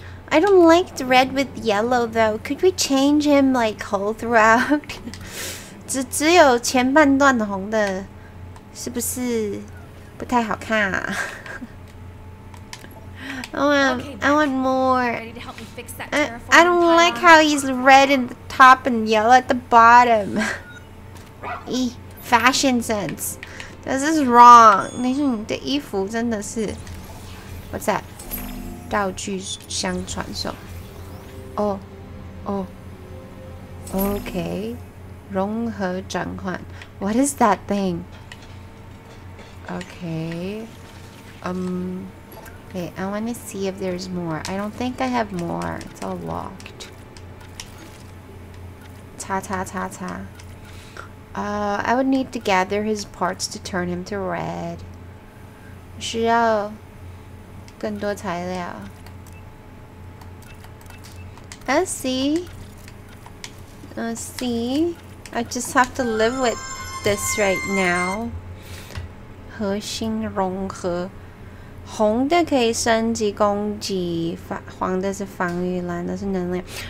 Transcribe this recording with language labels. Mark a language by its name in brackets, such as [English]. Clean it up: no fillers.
[English] I don't like the red with yellow though. Could we change him like whole throughout? [Chinese] 只有前半段的红的，是不是不太好看啊？ [English] I want more. I don't like how he's red in the top and yellow at the bottom. fashion sense. This is wrong. [Chinese] 那是你的衣服真的是 [English] What's that? [Chinese] 道具相传送。哦，哦，Okay. 融合转换。 [English] What is that thing? Okay. Okay, I want to see if there's more. I don't think I have more. It's all locked. Ta ta ta ta. I would need to gather his parts to turn him to red. [Chinese] 需要更多材料。 [English] Let's see. I just have to live with this right now. [Chinese] 核心融合。红的可以升级攻击，黄的是防御，蓝的是能量。